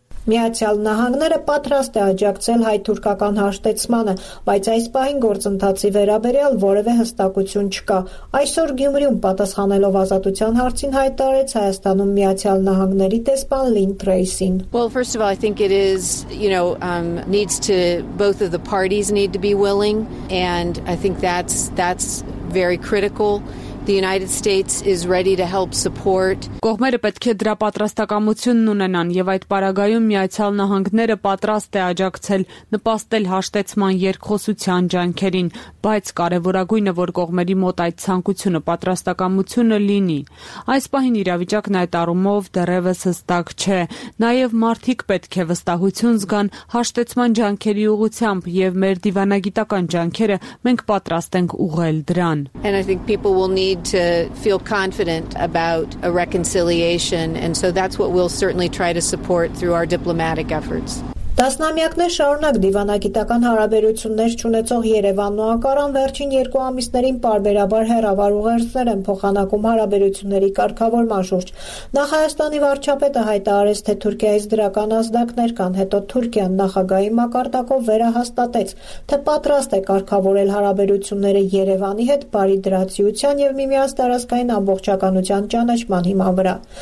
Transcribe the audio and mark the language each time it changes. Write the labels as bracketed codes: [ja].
[hy] Միացյալ Նահանգները պատրաստ է աջակցել հայ-թուրքական հաշտեցմանը, բայց այս պահին գործընթացի վերաբերյալ որևէ հստակություն չկա։ Այսօր Գյումրիում պատասխանելով ազատության հարցին հայտարարեց Հայաստանում Միացյալ Նահանգների դեսպան Լին Թրեյսին. [en] Well, first of all, I think it is, you know, needs to both of the parties need to be willing, and I think that's very critical. The United States is ready to help support. [hy] Կողմերը պետք է դրա պատրաստակամությունն ունենան եւ այդ պարագայում Միացյալ Նահանգները պատրաստ է աջակցել նպաստել հաշտեցման երկխոսության ջանքերին, բայց կարևորագույնը որ կողմերի մոտ այդ ցանկությունը պատրաստակամությունը լինի։ Այս պահին իրավիճակն այդ առումով դեռևս հստակ չէ։ Նաեւ մարդիկ պետք է վստահություն զգան հաշտեցման ջանքերի ուղղությամբ եւ մեր դիվանագիտական ջանքերը մենք պատրաստ ենք ուղղել դրան։ [en] And I think people will need to feel confident about a reconciliation, and so that's what we'll certainly try to support through our diplomatic efforts. [hy] Տասնամյակներ շարունակ դիվանագիտական հարաբերություններ չունեցող Երևանն ու Անկարան վերջին երկու ամիսներին պարբերաբար հեռավար ուղերձներ են փոխանակում հարաբերությունների կարգավորման շուրջ։ Նախ Հայաստանի վարչապետը հայտարարեց, թե Թուրքիայից դրական ազդակներ կան, հետո Թուրքիան նախագահի մակարդակով վերահաստատեց, թե պատրաստ է կարգավորել հարաբերությունները Երևանի հետ բարի դրացիության և միմյանց տարածքային ամբողջականության ճանաչման հիման վրա։